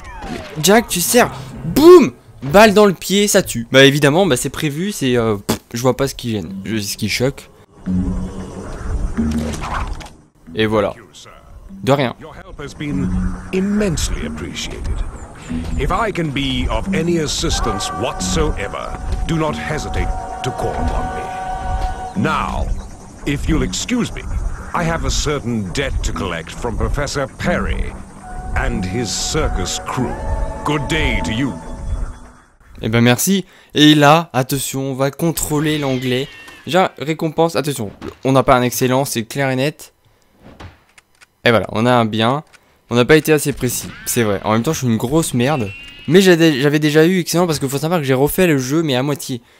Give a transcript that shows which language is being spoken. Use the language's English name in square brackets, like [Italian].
[French] Mais Jack, tu sers. Boum ! Balle dans le pied, ça tue. Bah, évidemment, bah, c'est prévu, c'est. Je vois pas ce qui gêne, ce qui choque. Et voilà. De rien. [English] Your help has been immensely appreciated. If I can be of any assistance whatsoever, do not hesitate to call upon me. Now, if you'll excuse me, I have a certain debt to collect from Professor Perry and his circus crew. Good day to you. [French] Eh ben merci. Et là, attention, on va contrôler l'anglais. Déjà, récompense, attention, on n'a pas un excellent, c'est clair et net. Et voilà, on a un bien. On n'a pas été assez précis, c'est vrai. En même temps, je suis une grosse merde. Mais j'avais déjà eu excellent parce qu'il faut savoir que j'ai refait le jeu, mais à moitié.